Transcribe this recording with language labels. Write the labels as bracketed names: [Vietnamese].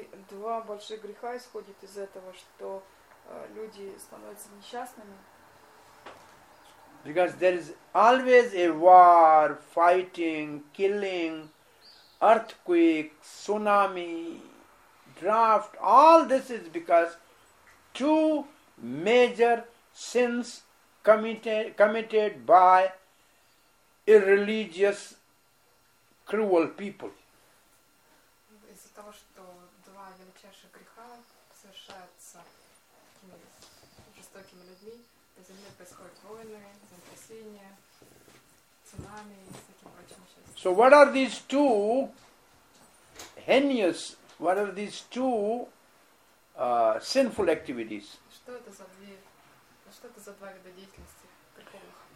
[Russian] Два больших греха исходит из этого, что люди становятся несчастными. [English] Because there is always a war, fighting, killing, earthquake, tsunami, drought. All this is because two major sins committed by irreligious, cruel people. [Russian] Из-за того, что два величайших греха совершаются такими жестокими людьми, на земле происходят войны, землетрясения, цунами и всякие прочие несчастья. [English] So what are these two heinous, what are these two sinful activities? [Russian] Что это за два вида деятельности греховных?